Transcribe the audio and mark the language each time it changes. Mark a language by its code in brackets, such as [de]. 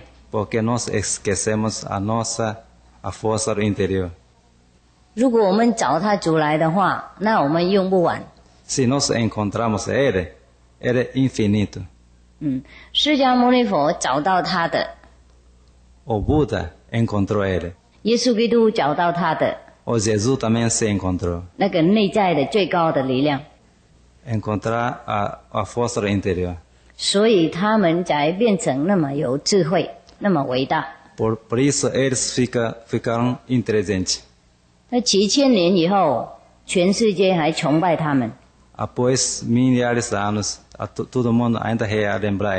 [pt] Porque nós esquecemos a nossa a força do interior. [zh] 如果我们找他主来的话, 那我们用不完. [pt] Se nós encontramos ele, ele é infinito. [zh] 释迦牟尼佛找到他的, [pt] o Buda encontrou ele. [zh] 耶稣基督找到他的, [pt] o Jesus também se encontrou. [zh] 那个内在的最高的力量. [pt] Encontrar a força do interior. [zh] 所以他们才变成那么有智慧. [pt] Por isso eles ficaram inteligentes. Após milhares de anos, todo mundo ainda quer lembrar